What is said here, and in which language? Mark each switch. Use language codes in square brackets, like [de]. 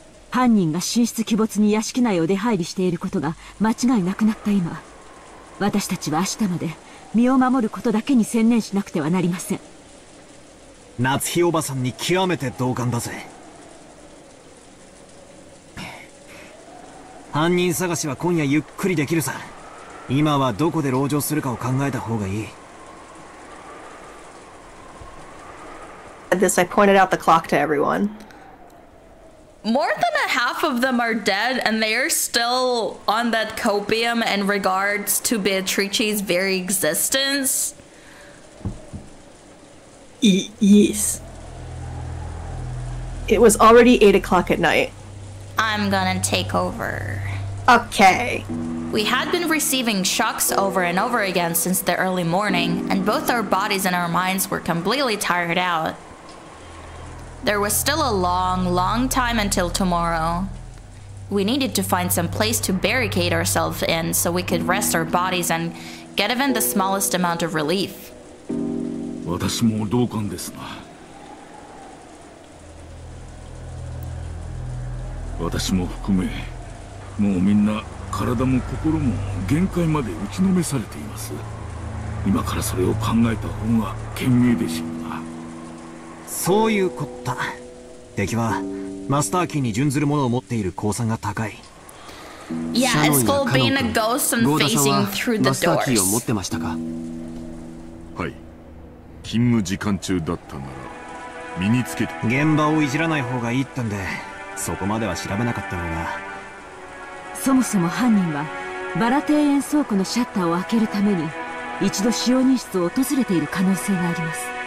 [ja] 犯人が神出鬼没に屋敷内を出入りしていることが間違いなくなった今、私たちは明日まで身を守ることだけに専念しなくてはなりません。夏日おばさんに極めて同感だぜ。犯人探しは今夜ゆっくりできるさ。今はどこで籠城するかを考えた方がいい。 [en] This, I pointed out the clock to everyone. More than a half of them are dead, and they are still on that copium in regards to Beatrice's very existence. Yes. It was already 8 o'clock at night. I'm gonna take over. Okay. We had been receiving shocks over and over again since the early morning, and both our bodies and our minds were completely tired out. There was still a long, long time until tomorrow. We needed to find some place to barricade ourselves in so we could rest our bodies and get even the smallest amount of relief. [ja] 私も同感ですが、私も含めもうみんな体も心も限界まで打ちのめされています。今からそれを考えた方が賢明でしょうが。そういうこった。敵はマスターキーに準ずるものを持っている公算が高い。 [en] Yeah, it's called being a ghost and facing through the doors. [ja] ゴーダさんはマスターキーを持ってましたか？はい、勤務時間中だったなら身につけて。現場をいじらない方がいいってんでそこまでは調べなかったのが。そもそも犯人はバラ庭園倉庫のシャッターを開けるために一度使用人室を訪れている可能性があります。